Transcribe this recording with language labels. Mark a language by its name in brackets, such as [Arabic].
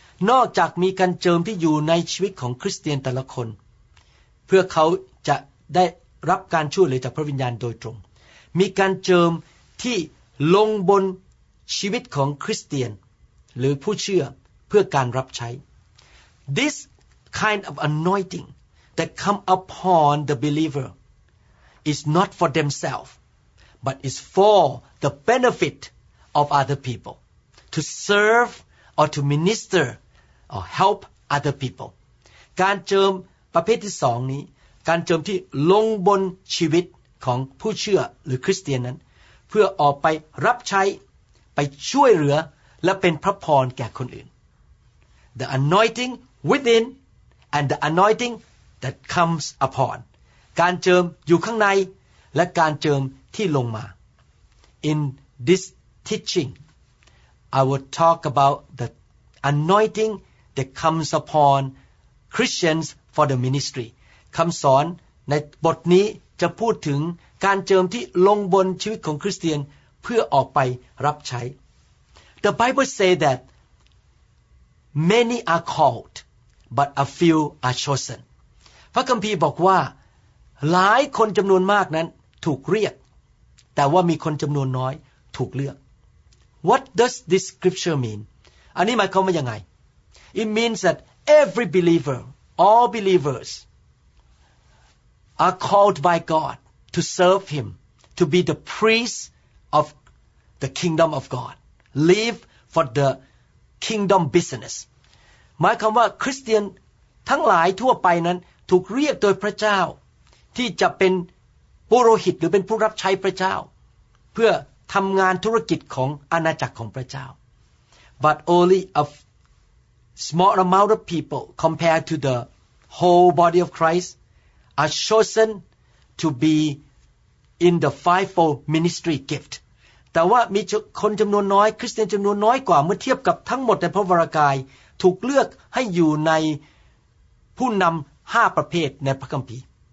[Thai] นอกจากมีการเจิมที่อยู่ในชีวิตของคริสเตียนแต่ละคนเพื่อเขาจะได้รับการช่วยเหลือจากพระวิญญาณโดยตรงมีการเจิมที่ลงบนชีวิตของคริสเตียนหรือผู้เชื่อเพื่อการรับใช้ [English] This kind of anointing that come upon the believer is not for themselves but is for the benefit of other people to serve or to minister or help other people [Thai] การเจิมประเภทที่สองนี้การเจิมที่ลงบนชีวิตของผู้เชื่อหรือคริสเตียนนั้นเพื่อออกไปรับใช้ไปช่วยเหลือและเป็นพระพรแก่คนอื่น [English] The anointing within and the anointing that comes upon [Thai] การเจิมอยู่ข้างในและการเจิมที่ลงมา [English] In this teaching I will talk about the anointing that comes upon Christians for the ministry [Thai] คำสอนในบทนี้จะพูดถึงการเจิมที่ลงบนชีวิตของคริสเตียนเพื่อออกไปรับใช้ [English] The Bible say that many are called but a few are chosen [Thai] พระคัมภีร์บอกว่าหลายคนจำนวนมากนั้นถูกเรียกแต่ว่ามีคนจำนวนน้อยถูกเลือก [English] What does this scripture mean [Thai] อันนี้หมายความว่ายังไง [English] It means that every believer, all believers, are called by God to serve Him, to be the priest of the kingdom of God, live for the kingdom business. [Thai] หมายความว่าคริสเตียนทั้งหลายทั่วไปนั้นถูกเรียกโดยพระเจ้าที่จะเป็นปุโรหิตหรือเป็นผู้รับใช้พระเจ้าเพื่อทำงานธุรกิจของอาณาจักรของพระเจ้า [English] but only a small amount of people compared to the whole body of Christ are chosen to be in the fivefold ministry gift [Thai] แต่ว่ามีคนจำนวนน้อยคริสเตียนจำนวนน้อยกว่าเมื่อเทียบกับทั้งหมดในพระวรกายถูกเลือกให้อยู่ในผู้นำห้าประเภทในพระคัมภีร์